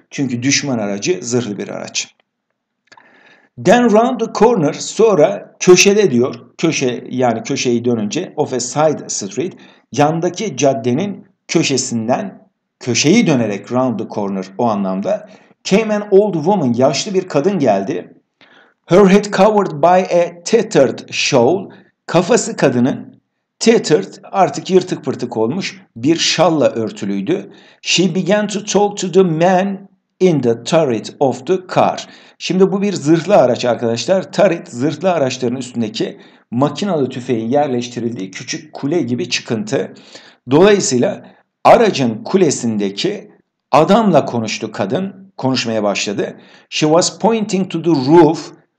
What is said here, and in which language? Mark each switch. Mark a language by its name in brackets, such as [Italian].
[Turkish] Çünkü düşman aracı zırhlı bir araç. [English] Then round the corner, [Turkish] sonra köşede diyor, köşe, yani köşeyi dönünce, [English] of a side street, [Turkish] yandaki caddenin köşesinden, köşeyi dönerek, [English] round the corner [Turkish] o anlamda, [English] came an old woman, [Turkish] yaşlı bir kadın geldi. [English] Her head covered by a tattered shawl, [Turkish] kafası kadının, tattered, artık yırtık pırtık olmuş, bir şalla örtülüydü. [English] She began to talk to the man in the turret of the car. [Turkish] Şimdi bu bir zırhlı araç arkadaşlar. Turret, zırhlı araçların üstündeki makinalı tüfeğin yerleştirildiği küçük kule gibi çıkıntı. Dolayısıyla aracın kulesindeki adamla konuştu kadın. Konuşmaya başladı. [English] She was pointing to the roof.